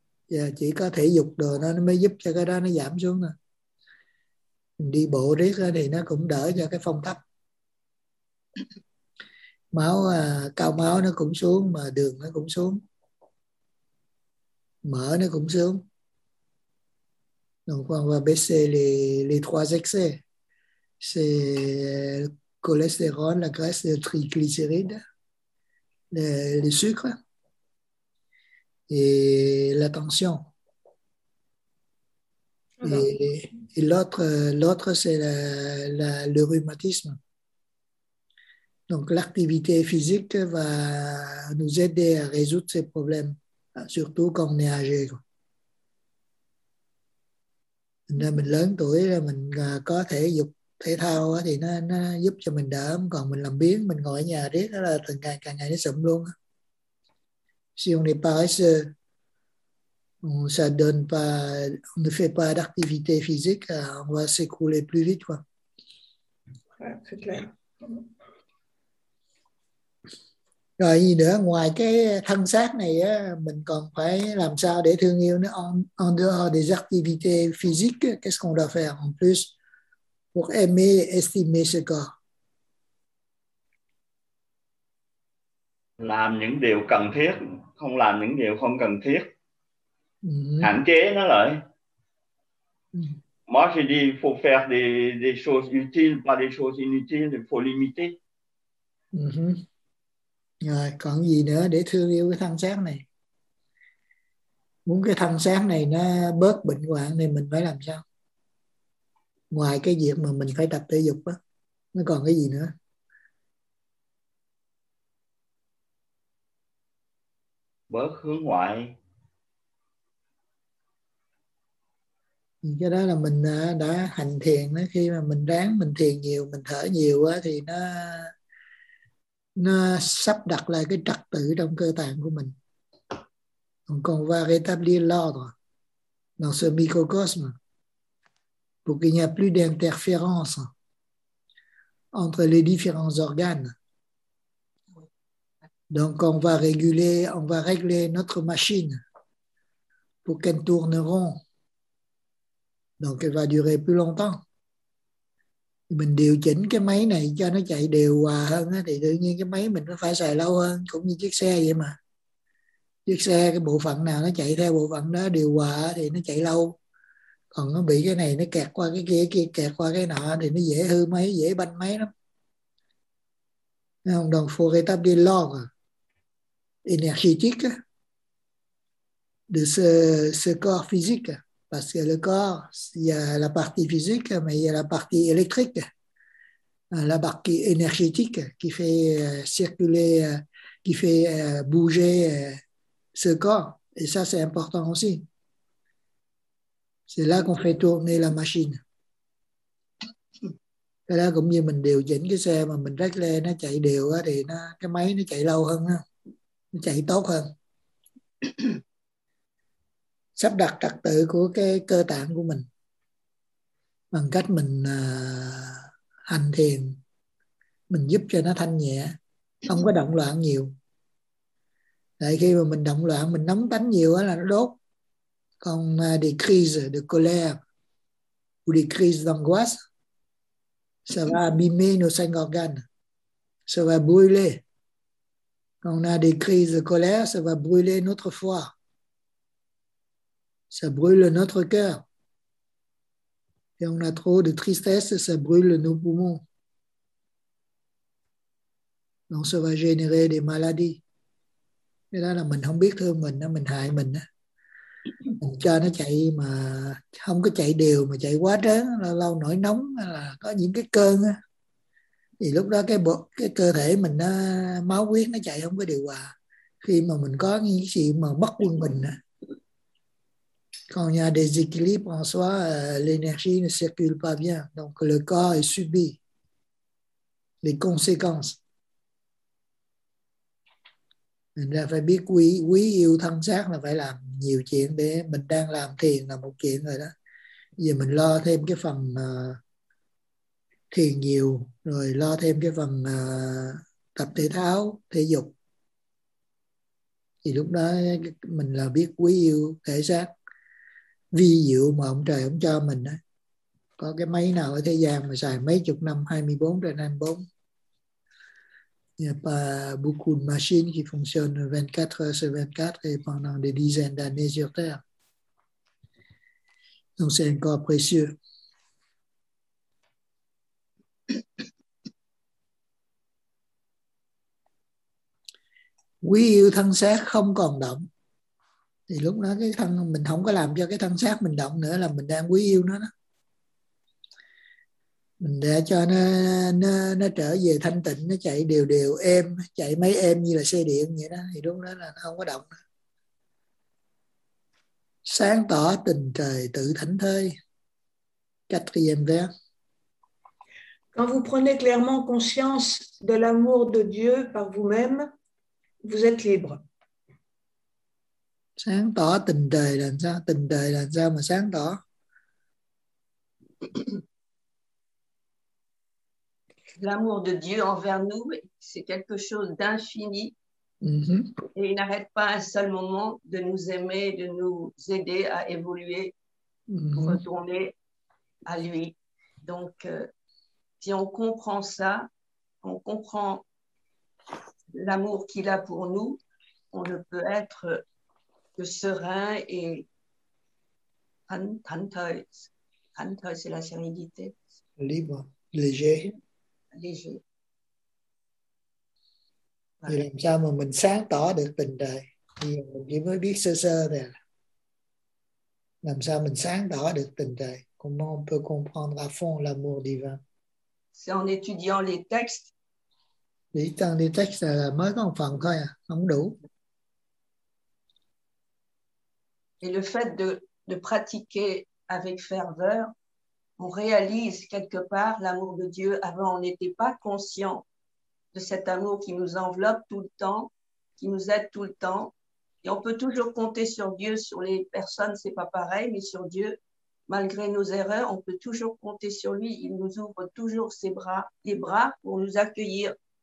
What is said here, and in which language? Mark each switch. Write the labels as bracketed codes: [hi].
[vi] Và chỉ có thể dục đồ nó mới giúp cho cái đó nó giảm xuống thôi. Đi bộ riết thì nó cũng đỡ cho cái phong thấp, máu cao máu nó cũng xuống, mà đường nó cũng xuống, mỡ nó cũng xuống. [fr] Donc on va baisser les trois excès. C'est le cholestérol, la graisse, le triglycéride, le sucre et la tension. Et l'autre c'est le rhumatisme. Donc l'activité physique va nous aider à résoudre ces problèmes, surtout quand on est âgé. [vi] Mình lớn tuổi là mình có thể dục thể thao thì nó giúp cho mình đỡ, còn mình làm biếng, mình ngồi ở nhà riết đó là từng ngày càng ngày nó sụm luôn. [fr] Si on n'est pas assez, on ça donne pas, on ne fait pas d'activité physique, on va s'écrouler plus vite, quoi. Ouais, [vi] rồi gì nữa ngoài cái thân xác này á, mình còn phải làm sao để thương yêu nó. [fr] En dehors des activités physiques, qu'est-ce qu'on doit faire en plus pour aimer et estimer ce corps? [vi] Làm những điều cần thiết, không làm những điều không cần thiết. Hạn chế nó lại. [fr] Moi, j'ai dit, il faut faire des choses utiles, pas des choses inutiles, il faut limiter. [vi] Rồi, còn gì nữa để thương yêu cái thân xác này? Muốn cái thân xác này nó bớt bệnh hoạn thì mình phải làm sao? Ngoài cái việc mà mình phải tập thể dục á, nó còn cái gì nữa? Bớt hướng ngoại. Cái đó là mình đã hành thiền đó. Khi mà mình ráng, mình thiền nhiều, mình thở nhiều á, thì nó sắp đặt lại cái trật tự trong cơ tạng của mình. Còn [fr] va rétablir l'ordre dans ce microcosme. Pour qu'il n'y ait plus d'interférences entre les différents organes. Donc on va régler notre machine pour qu'elle tourne rond. Donc elle va durer plus longtemps. [vi] Mình điều chỉnh cái máy này cho nó chạy đều hòa hơn thì đương nhiên cái máy mình nó phải xài lâu hơn, cũng như chiếc xe vậy mà. Chiếc xe cái bộ phận nào nó chạy theo bộ phận đó điều hòa thì nó chạy lâu. Còn nó bị cái này nó kẹt qua cái kia kẹt qua cái nọ thì nó dễ hư máy, dễ banh máy lắm. Nên [fr] donc faut rétablir l'ordre énergétique de ce corps physique. Parce que le corps, il y a la partie physique, mais il y a la partie électrique, la partie énergétique qui fait circuler, qui fait bouger ce corps. Et ça, c'est important aussi. C'est là qu'on fait tourner la machine. [vi] Cái đó cũng như mình điều chỉnh cái xe mà mình rách lên, nó chạy đều thì nó, cái máy nó chạy lâu hơn, nó chạy tốt hơn. Sắp đặt trật tự của cái cơ tạng của mình bằng cách mình hành thiền, mình giúp cho nó thanh nhẹ, không có động loạn nhiều. Tại khi mà mình động loạn, mình nóng tánh nhiều là nó đốt. Còn [fr] des crises de colère ou des crises d'angoisse, ça va abîmer nos cinq organes, ça va brûler. Quand on a des crises de colère, ça va brûler notre foie. Ça brûle notre cœur. Et on a trop de tristesse, ça brûle nos poumons. Donc ça va générer des maladies. [vi] Cái đó là mình không biết thương mình, mình hại mình. Mình cho nó chạy mà không có chạy đều mà chạy quá trớn, lâu nổi nóng hay là có những cái cơn. Thì lúc đó cái cơ thể mình nó máu huyết nó chạy không có điều hòa. Khi mà mình có những gì mà mất quân mình á. [fr] Quand il y a des équilibres en soi, l'énergie ne circule pas bien. Donc le corps est subi les conséquences. [vi] Mình là phải biết quý yêu thân xác là phải làm nhiều chuyện, để mình đang làm thiền là một chuyện rồi đó. Giờ mình lo thêm cái phần thiền nhiều, rồi lo thêm cái phần tập thể thao, thể dục. Thì lúc đó mình là biết quý yêu thể xác. Vi diệu mà ông trời ông cho mình á. Có cái máy nào ở thế gian mà xài mấy chục năm, 24/24. [fr] Il n'y a pas beaucoup de machines qui fonctionnent 24/24 et pendant des dizaines d'années sur Terre. Donc c'est encore précieux. [vi] Quý yêu thân xác không còn động. Thì lúc đó cái thân mình không có làm cho cái thân xác mình động nữa là mình đang quý yêu nó đó. Mình để cho nó trở về thanh tịnh, nó chạy đều đều êm, chạy mấy êm như là xe điện vậy đó. Thì lúc đó là nó không có động nữa. Sáng tỏ tình trời tự thảnh thơi. [fr] Quatrième vers. Quand vous prenez clairement conscience de l'amour de Dieu par vous-même, vous êtes libre. [vi] Sáng tỏ tình trời là sao? Tình trời là sao mà sáng tỏ? [fr] L'amour de Dieu envers nous, c'est quelque chose d'infini. Mm-hmm. Et il n'arrête pas un seul moment de nous aimer, de nous aider à évoluer, mm-hmm. pour retourner à lui. Donc, si on comprend ça, on comprend l'amour qu'il a pour nous, on ne peut être que serein et [vi] thanh thơi, [fr] c'est la sérénité. Libre, léger. Léger. [vi] Thì làm sao mà mình sáng tỏ được tình trời? Mình chỉ mới biết sơ sơ này. Làm sao mình sáng tỏ được tình trời? [fr] Comment on peut comprendre à fond l'amour divin? C'est en étudiant les textes. [vi] Chỉ trong [fr] les textes [vi] là mới có một phần thôi à, không đủ. [fr] Et le fait de pratiquer avec ferveur, on réalise quelque part l'amour de Dieu. Avant, on n'était pas conscient de cet amour qui nous enveloppe tout le temps, qui nous aide tout le temps. Et on peut toujours compter sur Dieu, sur les personnes, c'est pas pareil, mais sur Dieu, malgré nos erreurs, on peut toujours compter sur lui. Il nous ouvre toujours ses bras, les bras pour nous accueillir